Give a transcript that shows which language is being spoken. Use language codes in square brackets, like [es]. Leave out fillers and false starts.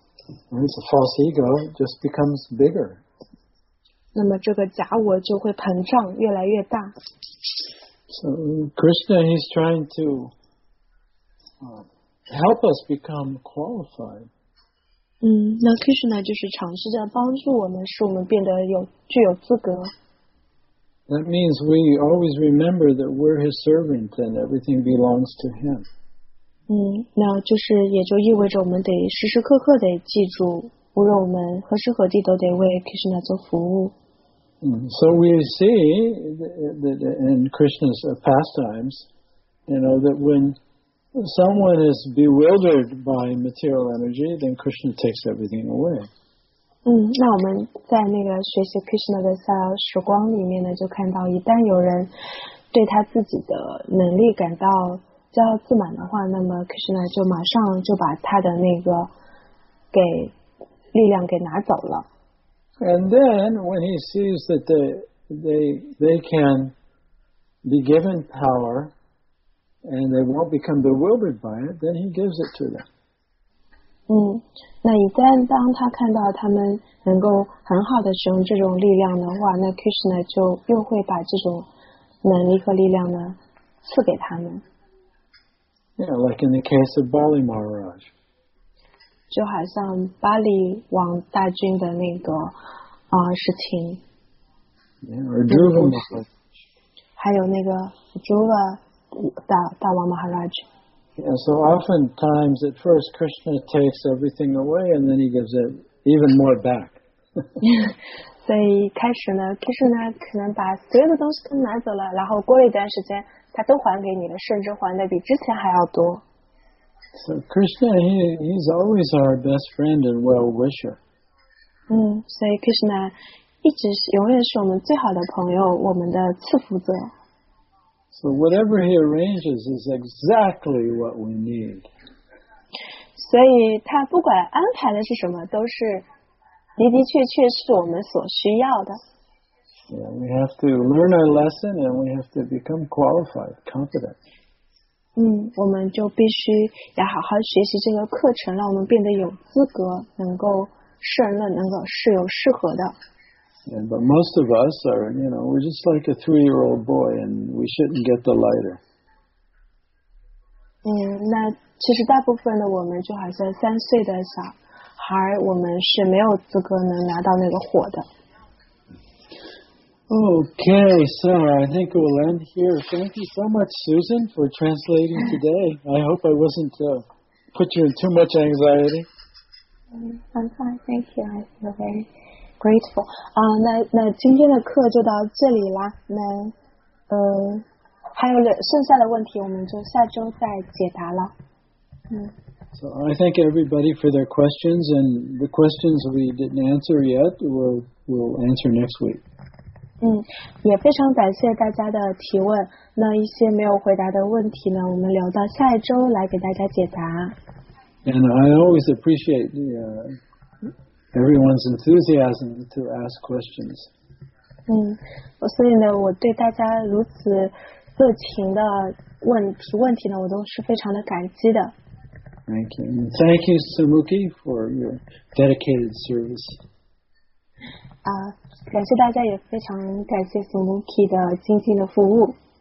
[en] And it's a false ego, just becomes bigger. [zh] 那么这个假我就会膨胀越来越大。 [en] So Krishna, he's trying to help us become qualified. [zh] 那 Krishna 就是尝试着帮助我们，使我们变得具有资格。 [en] That means we always remember that we're his servant and everything belongs to him. [zh] 那就是也就意味着我们得时时刻刻得记住，无论我们何时何地都得为 Krishna 做服务。 [en] So we see that in Krishna's pastimes, you know, that when someone is bewildered by material energy, then Krishna takes everything away. [zh] 那我们在那个学习 Krishna 的时光里面呢，就看到一旦有人对他自己的能力感到骄傲自满的话，那么 Krishna 就马上就把他的那个给力量给拿走了。 [en] And then when he sees that they can be given power and they won't become bewildered by it, then he gives it to them. [zh] 那一旦当他看到他们能够很好的使用这种力量的话，那 Krishna 就又会把这种能力和力量呢赐给他们。 [en] Yeah, like in the case of Bali Maharaj. [zh] 就好像巴黎王大军的那个事情。 [en] Yeah, or Dhruva Maharaj. [zh] 还有那个 Dhruva 大王 Maharaj. [en] Yeah, so oftentimes at first Krishna takes everything away and then he gives it even more back. [zh] 所以开始呢 ，Krishna 可能把所有的东西都拿走了，然后过了一段时间，他都还给你了，甚至还的比之前还要多。 [en] So Krishna, he's always our best friend and well wisher. [zh] 所以 Krishna 永远是我们最好的朋友，我们的赐福者。 [en] So whatever he arranges is exactly what we need. [zh] 所以他不管安排的是什么，都是的的确确是我们所需要的。 [en] Yeah, we have to learn our lesson and we have to become qualified, competent. [zh] 嗯，我们就必须要好好学习这个课程，让我们变得有资格，能够胜任，能够适有适合的。 [en] Yeah, but most of us are, you know, we're just like a three-year-old boy, and we shouldn't get the lighter. [zh] 嗯，那其实大部分的我们就好像三岁的小孩，我们是没有资格能拿到那个火的。 [en] Okay, so I think we'll end here. Thank you so much, Susan, for translating today. I hope I wasn't put you in too much anxiety. I'm fine, thank you. I feel very grateful. [zh] 那今天的课就到这里啦。那还有剩下的问题，我们就下周再解答了。嗯。 [en] So I thank everybody for their questions, and the questions we didn't answer yet, we'll answer next week. [zh] 嗯，也非常感谢大家的提问。那一些没有回答的问题呢，我们留到下一周来给大家解答。 [en] And I always appreciate everyone's enthusiasm to ask questions. [zh] 嗯，所以呢，我对大家如此热情的提问题呢，我都是非常的感激的。 [en] Thank you. Thank you, Sumuki, for your dedicated service. [zh] 感谢大家，也非常感谢 Sumuki 的精心的服务。